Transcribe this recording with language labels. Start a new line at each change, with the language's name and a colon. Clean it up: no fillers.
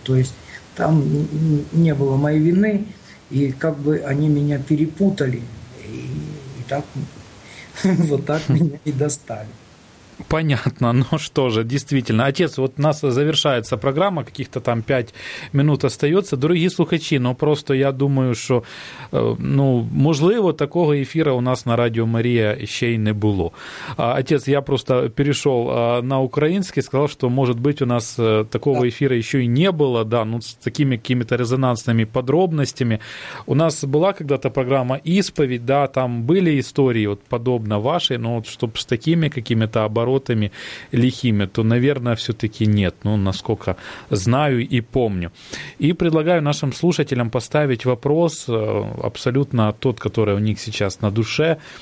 Russian: То есть там не было моей вины, и как бы они меня перепутали, и так, вот так меня и достали. Понятно, ну что же, действительно. Отец, вот у нас завершается программа, каких-то там 5 минут остается. Дорогие слухачи, ну просто я думаю,
Ukrainian: що, ну, можливо, такого ефіру у нас на Радіо Марія ще й не було. Отец, я просто перейшов на український, сказав, що, може бути, у нас такого ефіру ще й не було, да, ну, з такими якими-то резонансними подробностями.
Russian: У нас була когда-то программа «Исповедь», да, там были истории вот подобно вашей, но вот чтобы с такими какими-то оборотами лихими, то, наверное, все-таки нет, ну, насколько знаю и помню. И предлагаю нашим слушателям поставить вопрос, абсолютно тот, который у них сейчас на душе.